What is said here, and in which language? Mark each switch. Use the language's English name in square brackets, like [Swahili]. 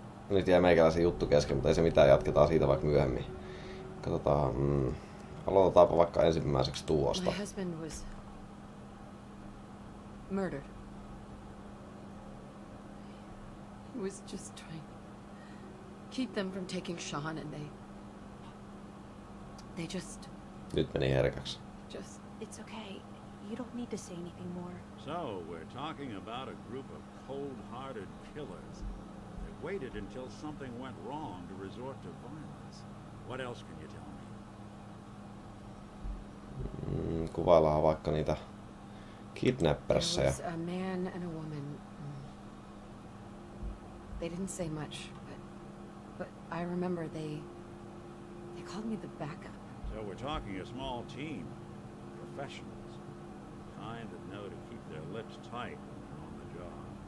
[Finnish] Nyt jäi meikäläisen juttu kesken, mutta ei se mitään, jatketaan siitä vaikka myöhemmin. Katsotaan, aloitetaanpa vaikka ensimmäiseksi tuosta. [English] My husband was murdered. He was just trying to keep them from taking Sean and they just... [Finnish] Nyt meni herkäksi. [English] Just... It's okay. You don't need to say anything more. So, we're talking about a group of cold-hearted killers. Waited until something went wrong to resort to violence. What else can you tell me? [Finnish] Kuvaillaan vaikka niitä kidnappersseja. [English] There was a man and a woman. They didn't say much, but I remember they called me the backup. So we're talking a small team, professionals, the kind that know to keep their lips tight when they're on the job.